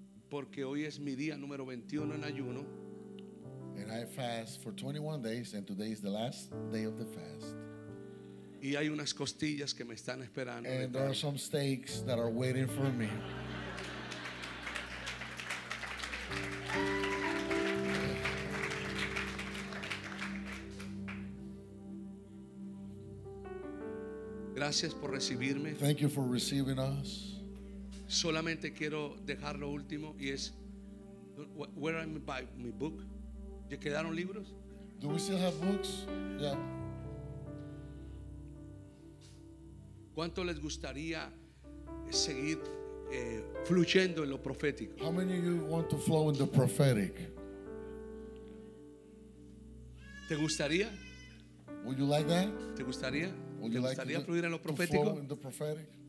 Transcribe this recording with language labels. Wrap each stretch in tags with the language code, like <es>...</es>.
<es>Porque hoy es mi día número 21 en ayuno.</es> <en>And I fast for 21 days, and today is the last day of the fast.</en> <es>Y hay unas costillas que me están esperando.</es> <en>And there are some steaks that are waiting for me.</en> <es>Gracias por recibirme.</es> <en>Thank you for receiving us.</en> <es>Solamente quiero dejar lo último y es,</es> <en>where am I by my book?</en> <es>¿Ya quedaron libros?</es> <en>Do we still have books? Yeah.</en> <es>¿Cuánto les gustaría seguir fluyendo en lo profético?</es> <en>How many of you want to flow in the prophetic?</en> <es>¿Te gustaría?</es> <en>Would you like that?</en> <es>¿Te gustaría?</es> <en>Would you like to</en> <es>fluir en lo profético?</es> <en>To flow in the prophetic?</en>